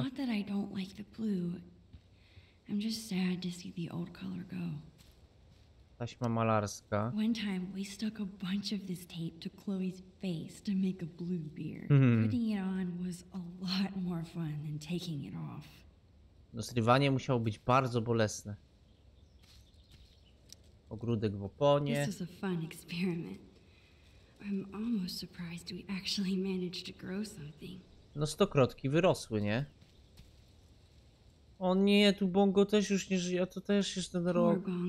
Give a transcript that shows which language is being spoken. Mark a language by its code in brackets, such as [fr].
[en] It's not that I don't like the blue. I'm just sad to see the old color go. [pl] Taśma malarska. [en] One time we stuck a bunch of this tape to Chloe's face to make a blue beard. Putting it on was a lot more fun than taking it off. [pl] No, zrywanie musiało być bardzo bolesne. Ogródek w oponie. [en] This was a fun experiment. I'm almost surprised we actually managed to grow something. [pl] No, stokrotki wyrosły, nie? O nie, tu Bongo też już nie żyje, a to też jest ten rok.